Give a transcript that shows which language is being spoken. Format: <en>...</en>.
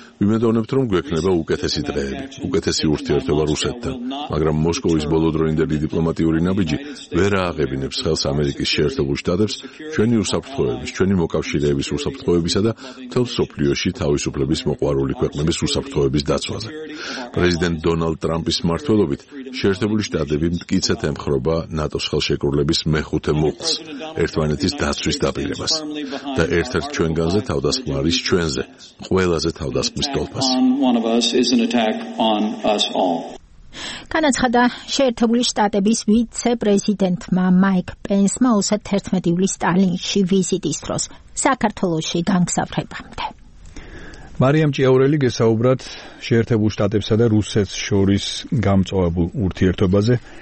<ka>Вимедовнет, რომ გვექნება უკეთესი დღეები, უკეთესი ურთიერთობა რუსეთთან, მაგრამ მოსკოვის ბოლოდროინდელი დიპლომატიური ნაბიჯი ვერ ააღებინებს ხელს ამერიკის შეერთებულ შტატებს ჩვენი უსაფრთხოების, ჩვენი მოკავშირეების უსაფრთხოებისა და მთელ სოფლიოში თავისუფლების მოყვარული ქვეყნების უსაფრთხოების დაცვაზე. პრეზიდენტ დონალდ ტრამპის მმართველობით შეერთებული შტატები მტკიცედ ემხრობა ნატოს ხელშეკრულების მეხუთე მუხლს, ერთმანეთის დაცვის დაპირებას და ერთ-ერთ ჩვენგანზე თავდასხმა არის ჩვენზე, ყველაზე თავდასხმა</ka> <en>one of us is an attack on us all.</en> <ka>განაცხადა შეერთებული შტატების ვიცე-პრეზიდენტმა მაიკ პენსმა 11 ივლისს ტალინში ვიზიტის დროს საქართველოში განგზავრებამდე. მარიამ ჭიაურელი გესაუბრათ შეერთებულ შტატებსა და რუსეთს შორის გამწვავებულ ურთიერთობაზე.</ka>